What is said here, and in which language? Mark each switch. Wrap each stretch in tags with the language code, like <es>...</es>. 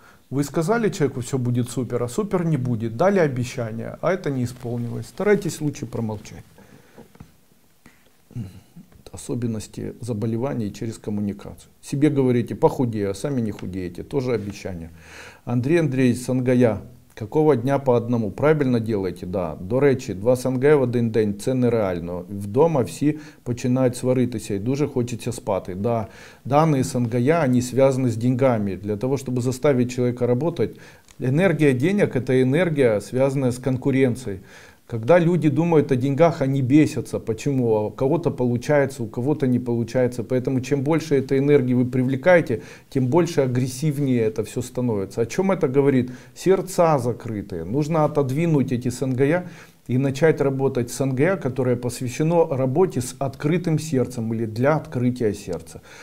<ru>Вы сказали человеку, все будет супер, а супер не будет. Дали обещание, а это не исполнилось. Старайтесь лучше промолчать. Особенности заболеваний через коммуникацию. Себе говорите, похудею, а сами не худеете. Тоже обещание. Андрей Андреевич Сангая. Какого дня по одному? Правильно делаете? Да.</ru> <uk>До речі, два сангая в один день – це нереально. Вдома всі починають сваритися і дуже хочеться спати. Да. Дані сангая, вони зв'язані з деньгами. Для того, щоб заставити чоловіка працювати, енергія денег – це енергія, зв'язана з конкуренцією.</uk> <ru>Когда люди думают о деньгах, они бесятся. Почему? У кого-то получается, у кого-то не получается. Поэтому чем больше этой энергии вы привлекаете, тем больше агрессивнее это все становится. О чем это говорит? Сердца закрытые. Нужно отодвинуть эти сангая и начать работать с сангая, которое посвящено работе с открытым сердцем или для открытия сердца.</ru>